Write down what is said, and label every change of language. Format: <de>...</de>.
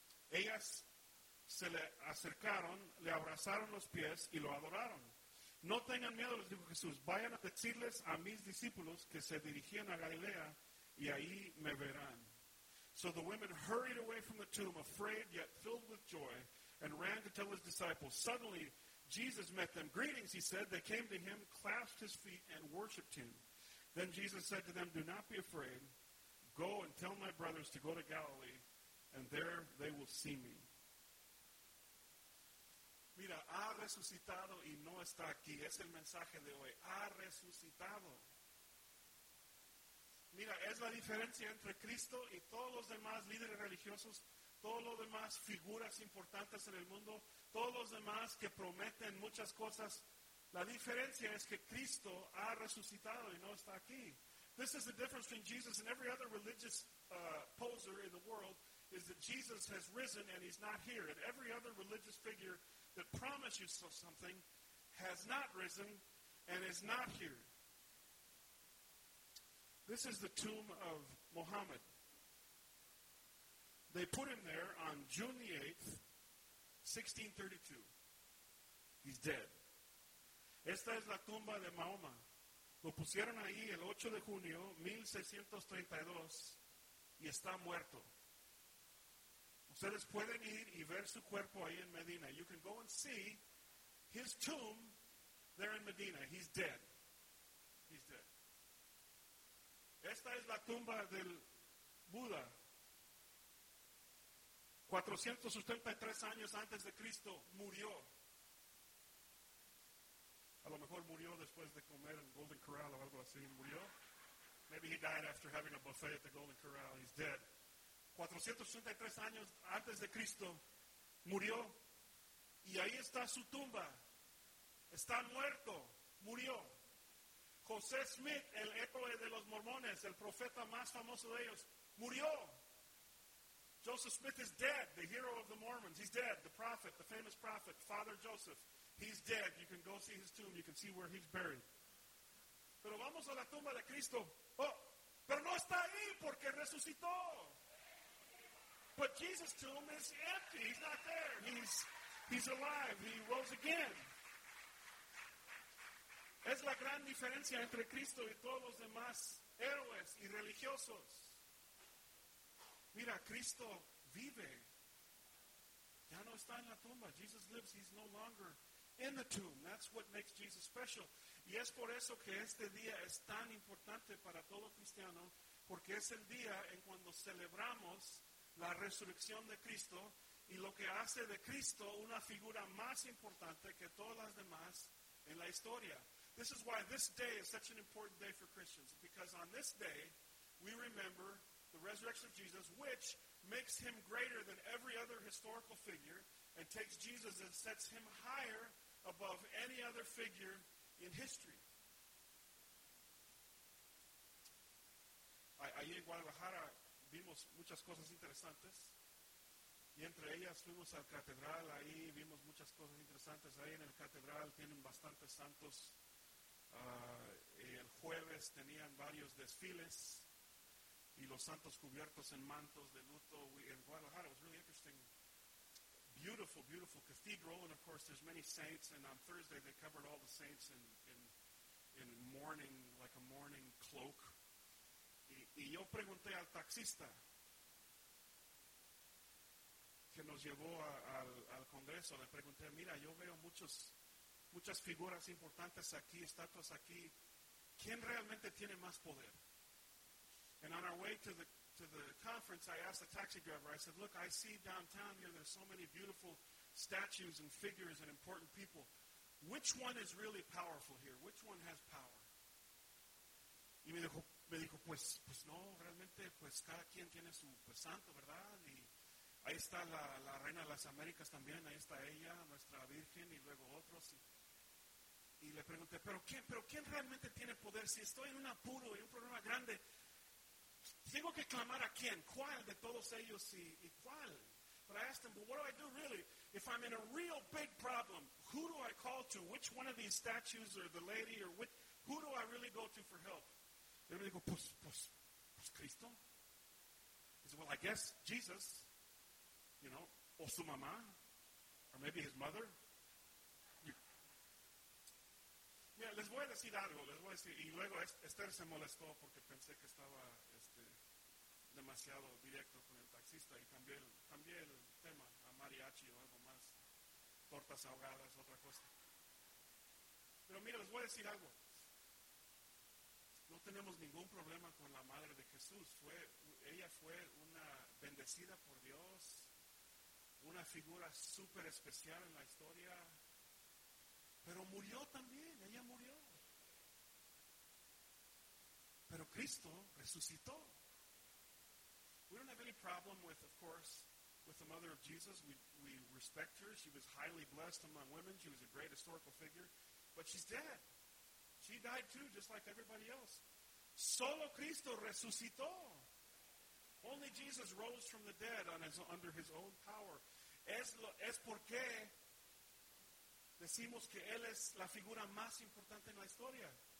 <es>Ellas se le acercaron, le abrazaron los pies y lo adoraron. No tengan miedo, les dijo Jesús. Vayan a decirles a mis discípulos que se dirigían a Galilea y ahí me verán.</es> <en>So the women hurried away from the tomb, afraid yet filled with joy, and ran to tell his disciples. Suddenly, Jesus met them. Greetings, he said. They came to him, clasped his feet, and worshipped him. Then Jesus said to them, do not be afraid. Go and tell my brothers to go to Galilee, and there they will see me.</en> <es>Mira, ha resucitado y no está aquí. Es el mensaje de hoy. Ha resucitado. Mira, es la diferencia entre Cristo y todos los demás líderes religiosos, todos los demás figuras importantes en el mundo, todos los demás que prometen muchas cosas. La diferencia es que Cristo ha resucitado y no está aquí.</es> <en>This is the difference between Jesus and every other religious poser in the world, is that Jesus has risen and he's not here. And every other religious figure that promises you something has not risen and is not here. This is the tomb of Muhammad. They put him there on June the 8th, 1632. He's dead.</en> <es>Esta es la tumba de Mahoma. Lo pusieron ahí el 8 de junio, 1632, y está muerto. Ustedes pueden ir y ver su cuerpo ahí en Medina.</es> <en>You can go and see his tomb there in Medina. He's dead. He's dead.</en> <es>Esta es la tumba del Buda. 473 años antes de Cristo murió. A lo mejor murió después de comer en Golden Corral o algo así. Murió.</es> <en>Maybe he died after having a buffet at the Golden Corral. He's dead.</en> <es>483 años antes de Cristo murió. Y ahí está su tumba. Está muerto. Murió. José Smith, el héroe de los mormones, el profeta más famoso de ellos, murió.</es> <en>Joseph Smith is dead, the hero of the Mormons. He's dead, the prophet, the famous prophet, Father Joseph. He's dead. You can go see his tomb. You can see where he's buried.</en> <es>Pero vamos a la tumba de Cristo. Oh, pero no está ahí porque resucitó.</es> <en>But Jesus' tomb is empty. He's not there. He's alive. He rose again.</en> <es>Es la gran diferencia entre Cristo y todos los demás héroes y religiosos. Mira, Cristo vive. Ya no está en la tumba.</es> <en>Jesus lives. He's no longer in the tomb. That's what makes Jesus special.</en> <es>Y es por eso que este día es tan importante para todo cristiano, porque es el día en cuando celebramos la resurrección de Cristo y lo que hace de Cristo una figura más importante que todas las demás en la historia.</es> <en>This is why this day is such an important day for Christians, because on this day we remember the resurrection of Jesus, which makes him greater than every other historical figure and takes Jesus and sets him higher above any other figure in history.</en> <es>Allí en Guadalajara vimos muchas cosas interesantes. Y entre ellas fuimos al catedral. Ahí vimos muchas cosas interesantes. Ahí en el catedral tienen bastantes santos. El jueves tenían varios desfiles. Y los santos cubiertos en mantos de luto.</es> <en>En Guadalajara, it was really interesting. Beautiful, beautiful cathedral. And of course, there's many saints. And on Thursday, they covered all the saints in mourning, like a mourning cloak.</en> <es>Y yo pregunté al taxista que nos llevó al Congreso. Le pregunté, mira, yo veo muchas figuras importantes aquí, estatuas aquí. ¿Quién realmente tiene más poder?</es> <en>And on our way to the conference, I asked the taxi driver, I said, look, I see downtown here, there's so many beautiful statues and figures and important people. Which one is really powerful here? Which one has power?</en> <es>Y me dijo, pues no, realmente, pues cada quien tiene su pues, santo, ¿verdad? Y ahí está la Reina de las Américas también, ahí está ella, nuestra Virgen, y luego otros. Y le pregunté, ¿pero quién realmente tiene poder? Si estoy en un apuro y un problema grande, ¿tengo que clamar a quién? ¿Cuál de todos ellos y cuál? But I asked him, but what do I do really? If I'm in a real big problem, who do I call to? Which one of these statues or the lady or which, who do I really go to for help? Y me dijo, pues Cristo.</es> <en>He said, well, I guess Jesus, you know,</en> <es>o su mamá,</es> <en>or maybe his mother.</en> <es>Yeah, les voy a decir algo, les voy a decir. Y luego Esther se molestó porque pensé que estaba demasiado directo con el taxista y cambié el tema a mariachi o algo más. tortas ahogadas, otra cosa. Pero mira, les voy a decir algo. No tenemos ningún problema con la madre de Jesús. Ella fue una bendecida por Dios, una figura súper especial en la historia. Pero murió también, ella murió. Pero Cristo resucitó.</es> <en>We don't have any problem with, of course, with the mother of Jesus. We respect her. She was highly blessed among women. She was a great historical figure. But she's dead. She died too, just like everybody else.</en> <es>Solo Cristo resucitó.</es> <en>Only Jesus rose from the dead under his own power.</en> <es>Es porque decimos que él es la figura más importante en la historia.</es>